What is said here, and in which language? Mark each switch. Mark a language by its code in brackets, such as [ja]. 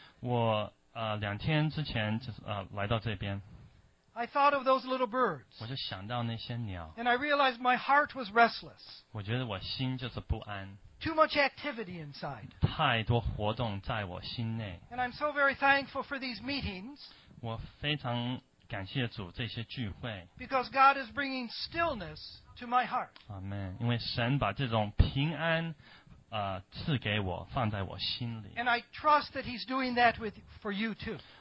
[zh] 我两天之前来到这边, [en] I thought of those little birds. [zh] 我就想到那些鸟, [en] and I realized my heart was restless. [zh] 我觉得我心就是不安, [en] too much activity inside. [zh] 太多活动在我心内, [en] and I'm so very thankful for these meetings. [zh] 我非常感谢主这些聚会, [en] because God is bringing stillness to my heart. Amen. [zh] 因为神把这种平安, 赐给我, [en] and I trust that he's doing that with, for you too.